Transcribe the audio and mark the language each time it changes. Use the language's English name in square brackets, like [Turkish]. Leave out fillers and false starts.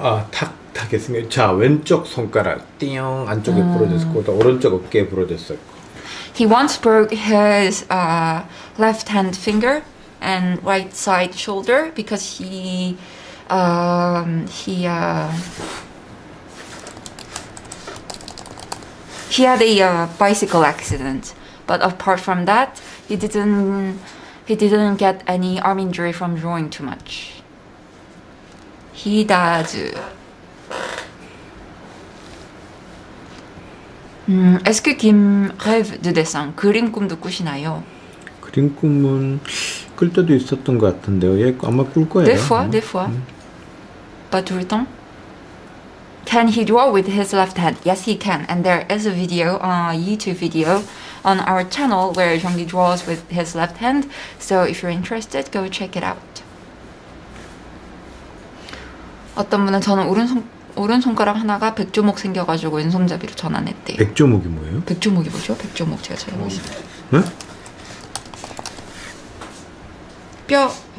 [Korean] 탁 했으니까 자 왼쪽 손가락 띵 안쪽에 부러졌고 또 오른쪽 어깨 부러졌었고. [English] He once broke his left hand finger and right side shoulder because he had a bicycle accident. But apart from that, he didn't get any arm injury from drawing too much. He does. [French] Est-ce que Kim rêve de dessin? [Korean] 그림 꿈도 꾸시나요? 그림 꿈은 꿀 때도 있었던 것 같은데요. 예, 아마 꿀 거예요. [French] Des fois. Pas tout le temps. [English] Can he draw with his left hand? Yes, he can. And there is a video, a YouTube video on our channel where Jong-gi draws with his left hand. So if you're interested, go check it out. [Korean] 어떤 분은 저는 오른손가락 하나가 백조목 생겨가지고 왼손잡이로 전환했대요. 백조목이 뭐예요? 백조목이 뭐죠? 백조목 제가 잘 모르겠어요. 네? 뼈.